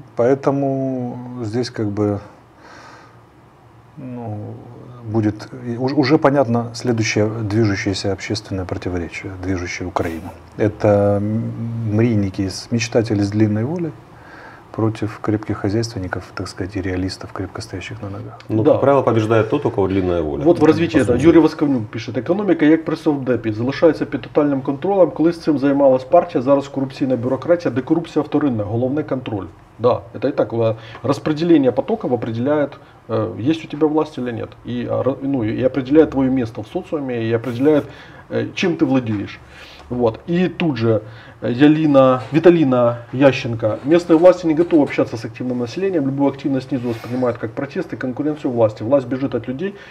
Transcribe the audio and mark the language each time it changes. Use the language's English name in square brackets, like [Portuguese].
[Russian] Поэтому здесь как бы, ну, будет уже понятно следующее движущееся общественное противоречие, движущее Украину. Это мрийники, мечтатели с длинной волей против крепких хозяйственников, так сказать, и реалистов, крепко стоящих на ногах. Ну, да, как правило, побеждает тот, у кого длинная воля. Вот в развитии, да, Юрий Восковнюк пишет: [Ukrainian] экономика, як пресовдепі, залишається під тотальним контролем. Колись цим займалась партія, зараз корупційна бюрократія, де корупція вторинна, головне – контроль. [Russian] Да, это и так. Распределение потоков определяет, есть у тебя власть или нет. И, ну, и определяет твое место в социуме, и определяет, чем ты владеешь. Вот. И тут же Ялина, Виталина Ященко: местные власти не готовы общаться с активным населением, любую активность снизу воспринимают как протест и конкуренцию власти. Власть бежит от людей.